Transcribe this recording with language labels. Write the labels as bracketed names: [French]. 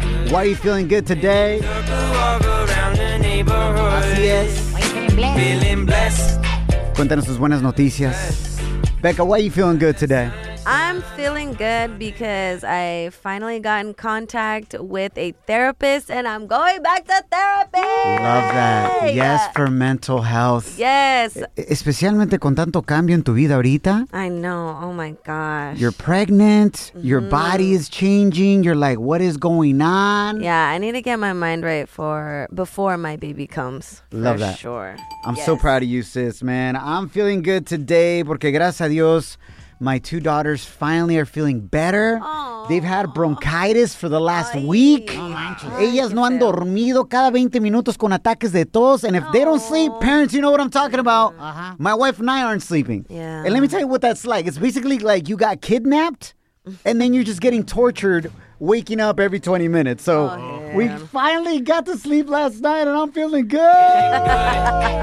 [English] Why are you feeling good today? [Spanish] Así es. [English] Feeling blessed. [Spanish] Cuéntanos tus buenas noticias. [English] Becca, why are you feeling good today? I'm feeling good because I finally got in contact with a therapist and I'm going back to therapy. Love that. Yes, for mental health. Yes. [Spanish] Especialmente con tanto cambio en tu vida ahorita. [English] I know. Oh my gosh. You're pregnant. Your body is changing. You're like, what is going on? Yeah, I need to get my mind right before my baby comes. Love for that. Sure. I'm so proud of you, sis, man. I'm feeling good today [Spanish] porque gracias a Dios. [English] My two daughters finally are feeling better. Aww. They've had bronchitis for the last week. Oh, [Spanish] ellas no han dormido cada 20 minutos con ataques de tos. [English] And if they don't sleep, parents, you know what I'm talking about. Uh-huh. My wife and I aren't sleeping. Yeah. And let me tell you what that's like. It's basically like you got kidnapped and then you're just getting tortured waking up every 20 minutes. So we finally got to sleep last night and I'm feeling good.